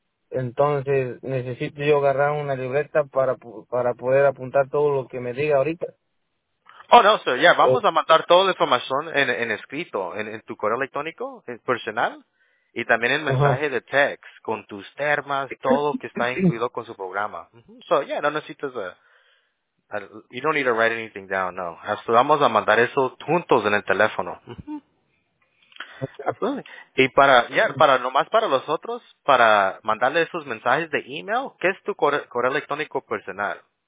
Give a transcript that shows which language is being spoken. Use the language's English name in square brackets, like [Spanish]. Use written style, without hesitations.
[Spanish] Entonces necesito yo agarrar una libreta para poder apuntar todo lo que me diga ahorita. [English] Oh, no, sir. [Spanish] Ya, vamos a mandar toda la información en escrito, en tu correo electrónico, en personal, y también el mensaje de text, con tus termas, todo que está incluido con su programa. No necesitas [English] you don't need to write anything down, no. [Spanish] Hasta vamos a mandar eso juntos en el teléfono. [English] Absolutely. [Spanish] Y para los otros, para mandarle esos mensajes de email, ¿qué es tu correo electrónico personal?